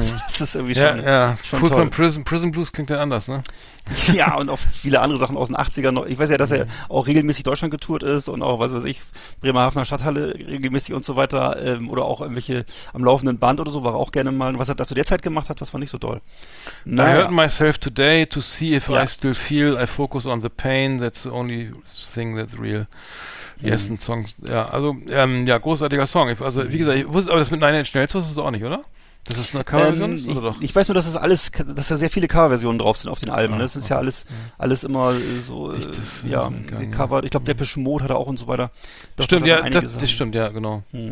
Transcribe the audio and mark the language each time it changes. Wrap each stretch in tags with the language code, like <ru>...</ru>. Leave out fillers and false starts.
<de>Das ist irgendwie schon toll. Prison Blues klingt ja anders, ne? Ja, und auch viele andere Sachen aus den 80ern. Ich weiß ja, dass er auch regelmäßig Deutschland getourt ist und auch, was weiß ich, Bremerhavener Stadthalle regelmäßig und so weiter, oder auch irgendwelche am laufenden Band oder so, war auch gerne mal. Was er da zu der Zeit gemacht hat, was war nicht so toll.</de> <en>Naja. I hurt myself today to see if I still feel. I focus on the pain, that's the only thing that's real.</en> <de>Yes, ein Song. Ja, also, großartiger Song. Also, wie gesagt, ich wusste, aber das mit Nine Inch Nails wusstest du auch nicht, oder? Das ist eine Coverversion? Ich weiß nur, dass das alles, dass da sehr viele Coverversionen drauf sind auf den Alben. Ne? Das ist ja alles immer so, gecovert. Ich glaube, Depeche Mode hat er auch und so weiter. Das stimmt, genau.</de>